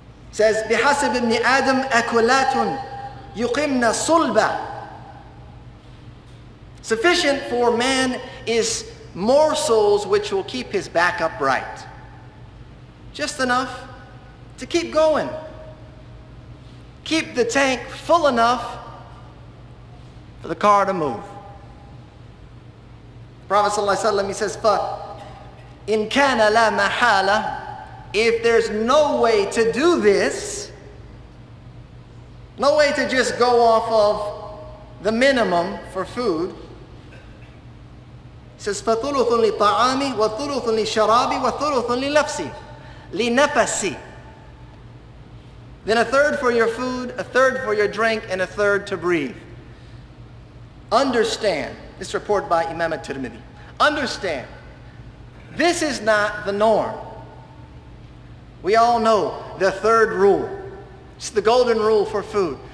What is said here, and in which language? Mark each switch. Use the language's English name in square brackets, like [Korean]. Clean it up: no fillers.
[English] It says, [Arabic] بِحَسَبْ إِبْنِ آدَمْ أَكُلَاتٌ يُقِمْنَ صُلْبًا. [English] Sufficient for man is morsels which will keep his back upright. Just enough to keep going. Keep the tank full enough for the car to move. The Prophet sallallahu alaihi wasallam, he says, [Arabic] "But in kana la mahala, [English] if there's no way to do this, no way to just go off of the minimum for food." It says, [Arabic] فَثُلُثٌ لِطَعَامِي وَثُلُثٌ لِشَرَابِي وَثُلُثٌ لِنَفْسِي لِنَفَسِي. [English] Then a third for your food, a third for your drink, and a third to breathe. Understand, this report by Imam al-Tirmidhi. Understand, this is not the norm. We all know the third rule. It's the golden rule for food.